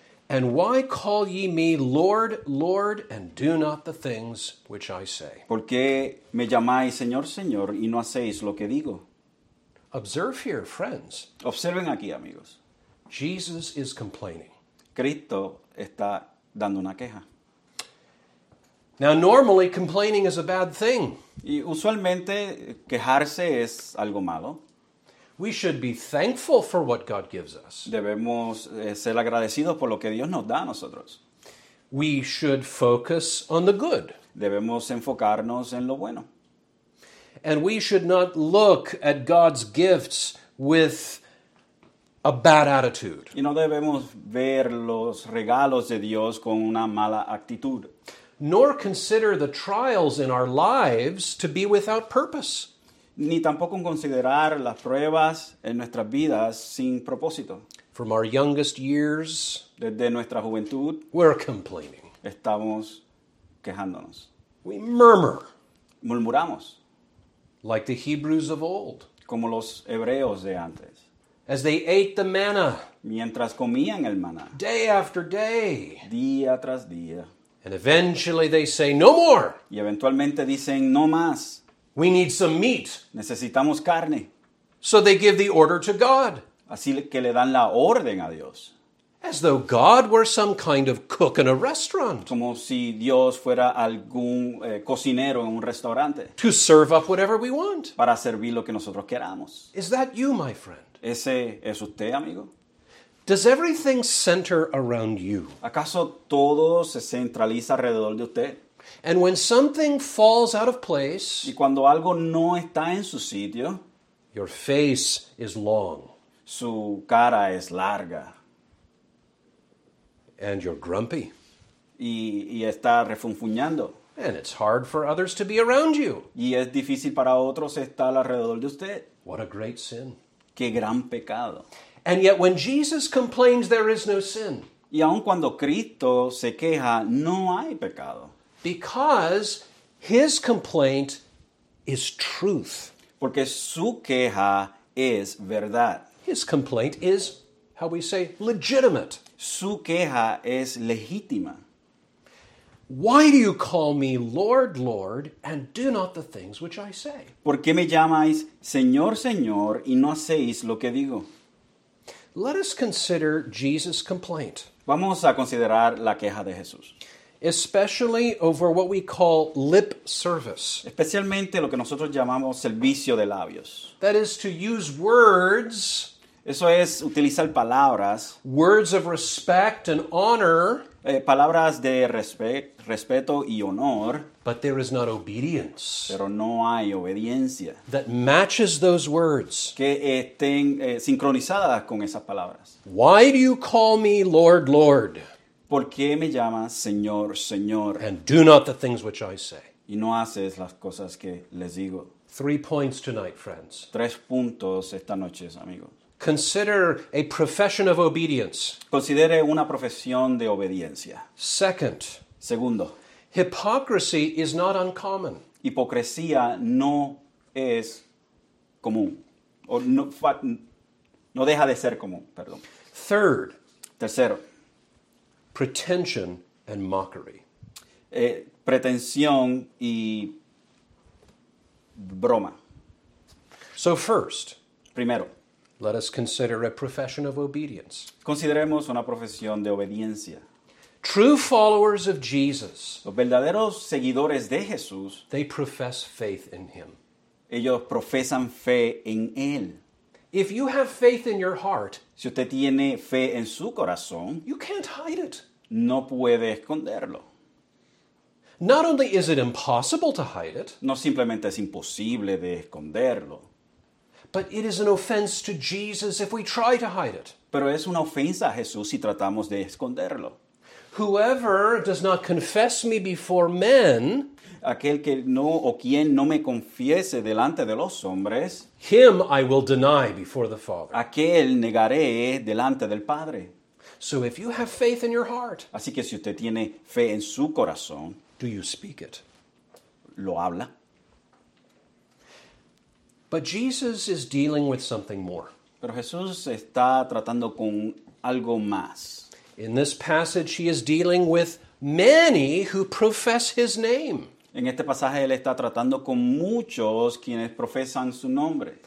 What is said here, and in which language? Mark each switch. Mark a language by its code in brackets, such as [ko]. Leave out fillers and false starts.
[en] And why call ye me Lord, Lord, and do not the things which I say? [es] ¿Por qué me llamáis Señor, Señor, y no hacéis lo que digo? [en] Observe here, friends. [es] Observen aquí, amigos. [en] Jesus is complaining. [es] Cristo está dando una queja. [en] Now, normally, complaining is a bad thing. [es] Y usualmente, quejarse es algo malo. [en] We should be thankful for what God gives us. [es] Debemos ser agradecidos por lo que Dios nos da a nosotros. [en] We should focus on the good. [es] Debemos enfocarnos en lo bueno. [en] And we should not look at God's gifts with a bad attitude. [es] Y no debemos ver los regalos de Dios con una mala actitud. [en] Nor consider the trials in our lives to be without purpose. [es] Ni tampoco considerar las pruebas en nuestras vidas sin propósito. [en] From our youngest years, [es] desde nuestra juventud, [en] we're complaining. [es] Estamos quejándonos. [en] We murmur. [es] Murmuramos. [en] Like the Hebrews of old. [es] Como los hebreos de antes. [en] As they ate the manna. [es] Mientras comían el maná. [en] Day after day. [es] Día tras día. [en] And eventually they say, no more. [es] Y eventualmente dicen, no más. [en] We need some meat. [es] Necesitamos carne. [en] So they give the order to God. [es] Así que le dan la orden a Dios. [en] As though God were some kind of cook in a restaurant. [es] Como si Dios fuera algún cocinero en un restaurante. [en] To serve up whatever we want. [es] Para servir lo que nosotros queramos. [en] Is that you, my friend? [es] ¿Ese es usted, amigo? [en] Does everything center around you? [es] ¿Acaso todo se centraliza alrededor de usted? [en] And when something falls out of place, [es] y cuando algo no está en su sitio, [en] your face is long. [es] Su cara es larga. [en] And you're grumpy. [es] Y está refunfuñando. [en] And it's hard for others to be around you. [es] Y es difícil para otros estar alrededor de usted. [en] What a great sin. [es] Qué gran pecado. [en] And yet when Jesus complains, there is no sin. [es] Y aun cuando Cristo se queja, no hay pecado. [en] Because his complaint is truth. [es] Porque su queja es verdad. [en] His complaint is, how we say, legitimate. [es] Su queja es legítima. [en] Why do you call me Lord, Lord, and do not the things which I say? [es] ¿Por qué me llamáis Señor, Señor, y no hacéis lo que digo? [en] Let us consider Jesus' complaint. [es] Vamos a considerar la queja de Jesús. [en] Especially over what we call lip service. [es] Especialmente lo que nosotros llamamos servicio de labios. [en] That is to use words. [es] Eso es utilizar palabras. [en] Words of respect and honor. [es] Palabras de respeto y honor. [en] But there is not obedience. [es] Pero no hay obediencia. [en] That matches those words. [es] Que estén sincronizadas con esas palabras. [en] Why do you call me Lord, Lord? [es] ¿Por qué me llamas Señor, Señor? [en] And do not the things which I say. [es] Y no haces las cosas que les digo. [en] 3 points tonight, friends. [es] 3 puntos esta noche, amigos. [en] Consider a profession of obedience. [es] Considere una profesión de obediencia. [en] Second. [es] Segundo. [en] Hypocrisy is not uncommon. [es] Hipocresía no es común. O no deja de ser común, perdón. [en] Third. [es] Tercero. [en] Pretension and mockery. [es] Pretensión y broma. [en] So first. [es] Primero. [en] Let us consider a profession of obedience. [es] Consideremos una profesión de obediencia. [en] True followers of Jesus. [es] Los verdaderos seguidores de Jesús. [en] They profess faith in him. [es] Ellos profesan fe en él. [en] If you have faith in your heart. [es] Si usted tiene fe en su corazón. [en] You can't hide it. [es] No puede esconderlo. [en] Not only is it impossible to hide it. [es] No simplemente es imposible de esconderlo. [en] But it is an offense to Jesus if we try to hide it. [es] Pero es una ofensa a Jesús si tratamos de esconderlo. [en] Whoever does not confess me before men, [es] aquel que no o quien no me confiese delante de los hombres, [en] him I will deny before the Father. [es] Aquel negaré delante del Padre. [en] So if you have faith in your heart, [es] así que si usted tiene fe en su corazón, [en] do you speak it? [es] Lo habla. [en] But Jesus is dealing with something more. [es] Pero Jesús está tratando con algo más. [en] In this passage, he is dealing with many who profess his name. [es] En este pasaje, él está tratando con muchos quienes profesan su nombre.